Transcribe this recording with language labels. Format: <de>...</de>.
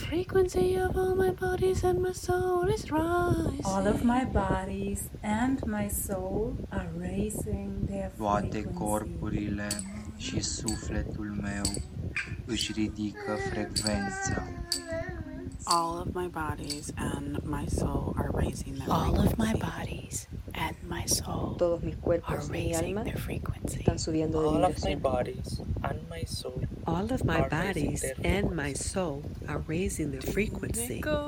<en>Frequency of all my bodies and my soul is rising. All of my bodies and my soul are raising their frequency.</en> <ro>Voate corporile și sufletul meu își ridică frecvența.</ro> <en>All of my bodies and my soul are raising their frequency. All of my bodies and my soul</en> <es>todos mis cuerpos</es> <en>are raising</en> <es>alma</es> <en>their frequency.</en> <es>Están subiendo</es> <en>all</en> <es>de</es> <en>of my bodies and my soul. All of my bodies and my soul are raising their frequency.</en>